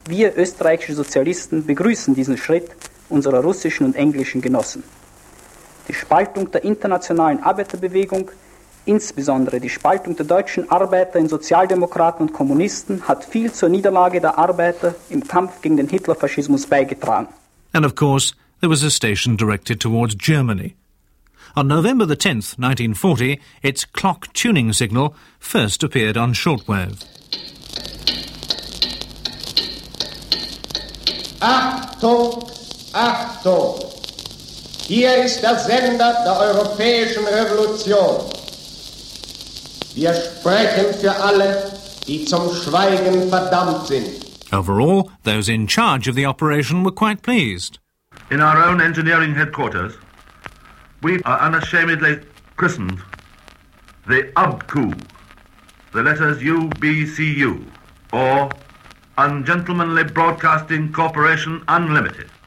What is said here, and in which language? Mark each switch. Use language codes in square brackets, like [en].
[de] Wir österreichische Sozialisten begrüßen diesen Schritt unserer russischen und englischen Genossen. Die Spaltung der internationalen Arbeiterbewegung, insbesondere die Spaltung der deutschen Arbeiter in Sozialdemokraten und Kommunisten, hat viel zur Niederlage der Arbeiter im Kampf gegen den Hitlerfaschismus beigetragen. [en] And of course, there was a station directed towards Germany. On November the 10th, 1940, its clock tuning signal first appeared on shortwave. [de] Achtung, Achtung! Hier ist der Sender der Europäischen Revolution. Wir sprechen für alle, die zum Schweigen verdammt sind. [en] Overall, those in charge of the operation were quite pleased. In our own engineering headquarters, we are unashamedly christened the UBCU, the letters UBCU, or Ungentlemanly Broadcasting Corporation Unlimited.